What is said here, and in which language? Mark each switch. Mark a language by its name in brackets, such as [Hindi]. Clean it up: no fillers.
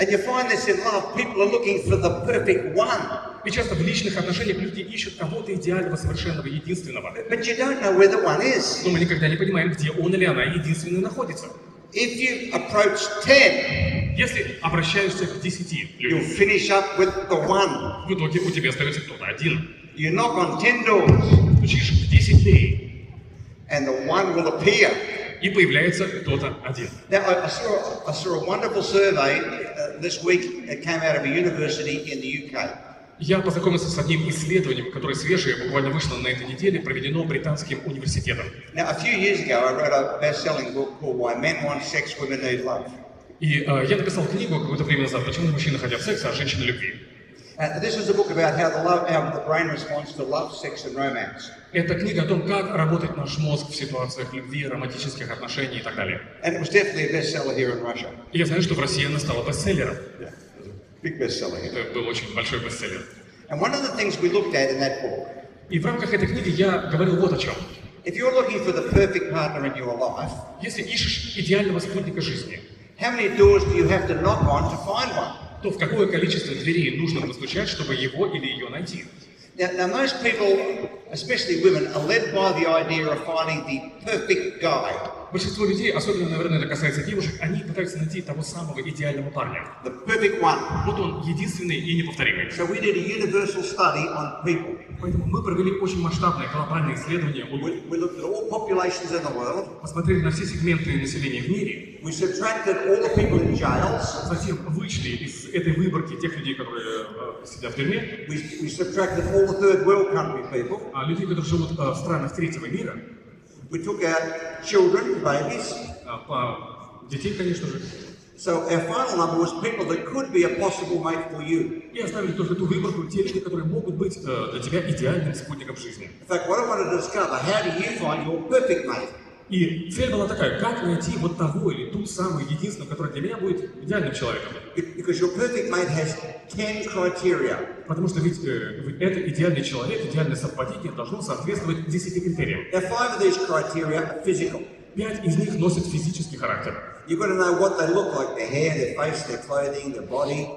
[English] And you find this in love, people are looking for the perfect one. [Russian] И часто в личных отношениях люди ищут кого-то идеального, совершенного, единственного. [English] But you don't know where the one is. [Russian] Но мы никогда не понимаем, где он или она единственный находится. [English] If you approach 10, [Russian] если обращаешься к 10, [English] you'll finish up with the one. [Russian] В итоге у тебя остается кто-то один. [English] You knock on 10 doors. [Russian] Стучишь в 10 дверей. [English] And the one will appear. [Russian] И появляется кто-то один. [English] Now, I saw a wonderful survey this week that came out of a university in the UK. [Russian] Я познакомился с одним исследованием, которое свежее, буквально вышло на этой неделе, проведено британским университетом. [English] Now, a few years ago, I wrote a best-selling book called Why Men Want Sex, Women Need Love. [Russian] И я написал книгу какое-то время назад, почему мужчины хотят секса, а женщины любви. [English] This is a book about how the brain responds to love, sex, and romance. [Russian] Это книга о том, как работает наш мозг в ситуациях любви, романтических отношений и так далее. [English] And it was definitely a bestseller here in Russia. [Russian] И я знаю, что в России она стала бестселлером. [English] Big bestseller. [Russian] Это был очень большой бестселлер. [English] And one of the things we looked at in that book. [Russian] И в рамках этой книги я говорил вот о чем. [English] If you're looking for the perfect partner in your life. [Russian] Если ищешь идеального спутника жизни. [English] How many doors do you have to knock on to find one? [Russian] То в какое количество дверей нужно постучать, чтобы его или ее найти? [English] Now most people, especially women, are led by the idea of finding the perfect guy. [Russian] Большинство людей, особенно, наверное, это касается девушек, они пытаются найти того самого идеального парня. [English] The perfect one. [Russian] Вот он, единственный и неповторимый. [English] So we did a universal study on people. [Russian] Поэтому мы провели очень масштабное глобальное исследование. [English] We looked at all populations in the world. [Russian] Посмотрели на все сегменты населения в мире. [English] We subtracted all the people in jails. [Russian] Затем вычли из этой выборки тех людей, которые сидят в тюрьме. [English] We subtracted all the third world country people. [Russian] А людей, которые живут в странах третьего мира. [English] We took out children, babies. [Russian] Детей, конечно же. [English] So our final number was people that could be a possible mate for you. [Russian] И оставили только ту выборку, те люди, которые могут быть для тебя идеальным спутником жизни. [English] In fact, what I wanted to discover, how do you find your perfect mate? [Russian] И цель была такая, как найти вот того или ту самую единственную, которая для меня будет идеальным человеком. [English] Because your perfect mate has 10 criteria. [Russian] Потому что ведь это идеальный человек, идеальное совпадение должно соответствовать 10 критериям. [English] Now, 5 of these criteria are physical. [Russian] 5 из них носят физический характер. [English] You've got to know what they look like, their hair, their face, their clothing, their body.